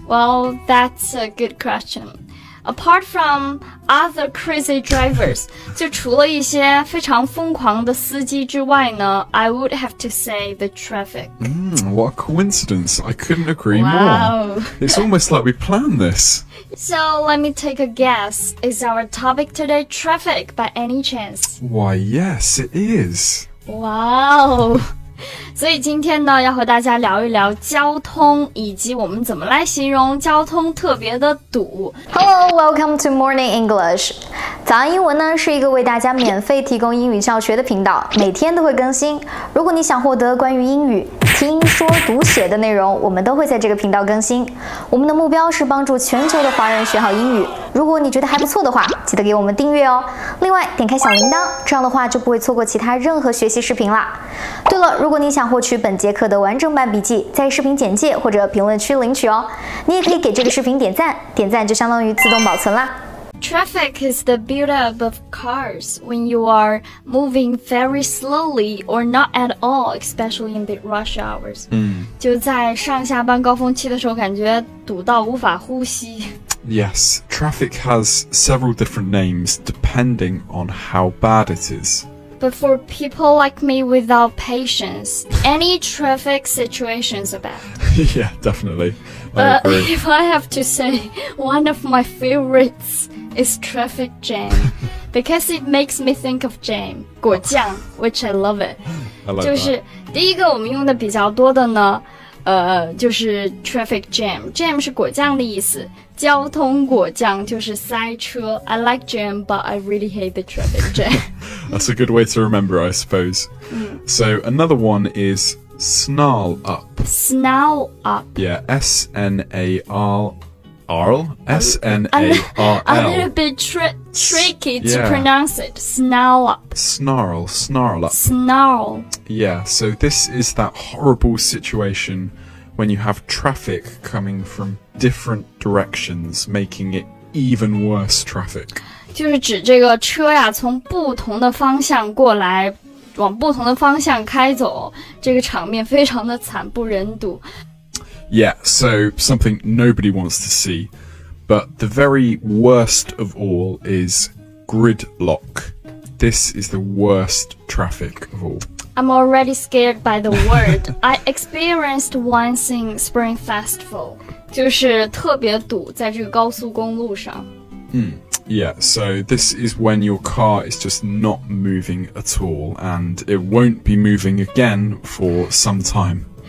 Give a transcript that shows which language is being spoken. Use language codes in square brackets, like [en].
[en] Well, that's a good question. Apart from other crazy drivers, [zh] 就除了一些非常疯狂的司机之外呢 [en] I would have to say the traffic. What a coincidence. I couldn't agree more. It's almost like we planned this. So, let me take a guess. Is our topic today traffic by any chance? Why, yes, it is. Wow. [zh] 所以今天呢要和大家聊一聊交通以及我们怎么来形容交通特别的堵。 Hello, welcome to Morning English. 早安英文呢是一个为大家免费提供英语教学的频道，每天都会更新。如果你想获得关于英语听说读写的内容，我们都会在这个频道更新。我们的目标是帮助全球的华人学好英语。如果你觉得还不错的话，记得给我们订阅哦。另外点开小铃铛，这样的话就不会错过其他任何学习视频啦。对了，如果你想获取本节课的完整版笔记，在视频简介或者评论区领取哦。你也可以给这个视频点赞，点赞就相当于自动保存啦。 [en] Traffic is the build-up of cars when you are moving very slowly or not at all, especially in the rush hours. [zh] 就在上下班高峰期的时候感觉堵到无法呼吸。 [en] Yes, traffic has several different names depending on how bad it is. But for people like me without patience, any traffic situations are bad. Yeah, definitely. But if I have to say, one of my favorites... It's traffic jam, because it makes me think of jam, 果酱 which I love it. I like [zh] 就是 [en] that. [zh] 第一个我们用的比较多的呢，就是 traffic jam. Jam 是果酱的意思，交通果酱就是塞车。 [en] I like jam, but I really hate the traffic jam. That's a good way to remember, I suppose. So another one is snarl up. Snarl up. Yeah, S-N-A-R. S-N-A-R-L. A little bit tricky to pronounce it. Snarl up. Snarl, snarl up. Snarl. Yeah, so this is that horrible situation when you have traffic coming from different directions, making it even worse traffic. 就是指这个车呀从不同的方向过来往不同的方向开走这个场面非常的惨不忍睹。 Yeah, so something nobody wants to see. But the very worst of all is gridlock. This is the worst traffic of all. I'm already scared by the word. I experienced once in Spring Festival. [zh] 就是特别堵在这个高速公路上。 [en] Yeah, so this is when your car is just not moving at all, and it won't be moving again for some time.